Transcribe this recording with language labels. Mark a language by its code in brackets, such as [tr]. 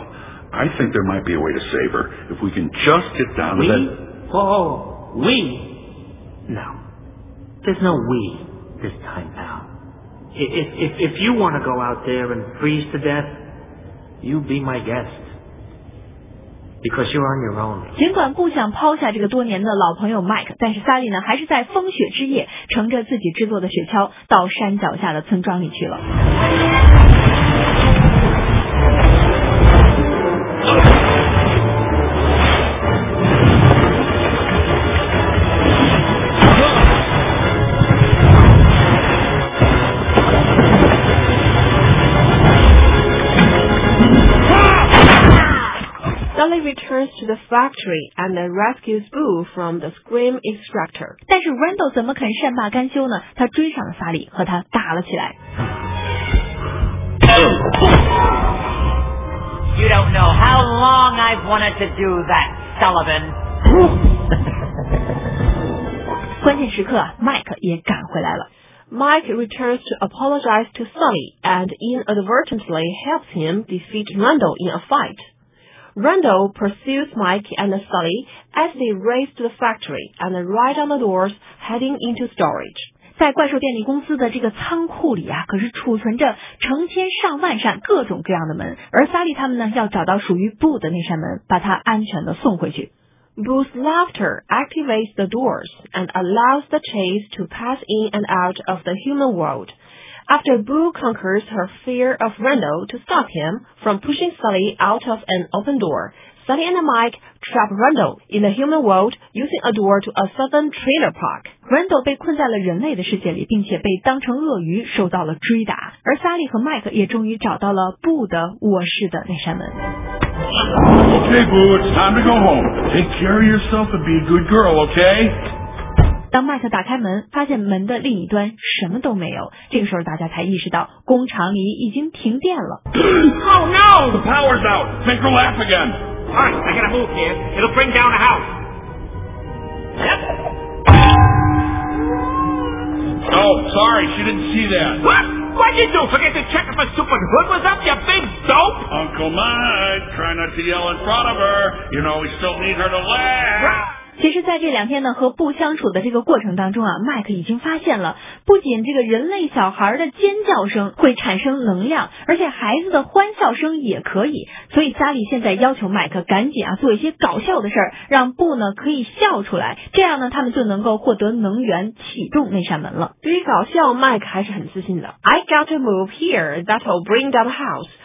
[en] I think there might be a way to save her if we can just get down to that... We? Oh, we? No. There's no we this time, pal. If you want to go out there and freeze to death, you be my guest. Because you're on your own. [zh] 尽管不想抛下这个多年的老朋友 Mike, 但是 Sally 呢还是在风雪之夜乘着自己制作的雪橇到山脚下的村庄里去了。 [en] Returns to the factory and rescues Boo from the scream extractor. [zh] 但是 Randall 怎么肯善罢甘休呢？他追上了萨利，和他打了起来。 [en] You don't know how long I've wanted to do that, Sullivan. [zh] 关键时刻 ，Mike 也赶回来了。 [en] Mike returns to apologize to Sully and inadvertently helps him defeat Randall in a fight. Randall pursues Mike and Sully as they race to the factory and ride on the doors heading into storage. [zh] 在怪兽电力公司的这个仓库里啊，可是储存着成千上万扇各种各样的门，而 Sully 他们呢要找到属于 Boo 的那扇门，把他安全的送回去。 [en] Boo's laughter activates the doors and allows the chase to pass in and out of the human world. After Boo conquers her fear of Randall to stop him from pushing Sully out of an open door, Sully and Mike trap Randall in the human world using a door to a southern trailer park. [zh] Randall 被困在了人类的世界里，并且被当成鳄鱼受到了追打。而 Sully 和 Mike 也终于找到了 Boo 的卧室的那扇门。 [en] Okay, Boo, it's time to go home. Take care of yourself and be a good girl, okay? [zh] 当麦克打开门，发现门的另一端什么都没有，这个时候大家才意识到工厂里已经停电了。 [en] Oh no! The power's out! Make her laugh again! Alright, I gotta move here. It'll bring down the house. Oh, sorry, she didn't see that. What? What'd you do? Forget to check if my stupid hood was up, you big dope? Uncle Mike, try not to yell in front of her. You know, we still need her to laugh. What? [zh] 其实在这两天呢和布相处的这个过程当中啊，麦克已经发现了，不仅这个人类小孩的尖叫声会产生能量，而且孩子的欢笑声也可以，所以萨利现在要求麦克赶紧啊做一些搞笑的事儿，让布呢可以笑出来，这样呢他们就能够获得能源启动那扇门了。对于搞笑，麦克还是很自信的。 [en] I got a move here that'll bring down the house.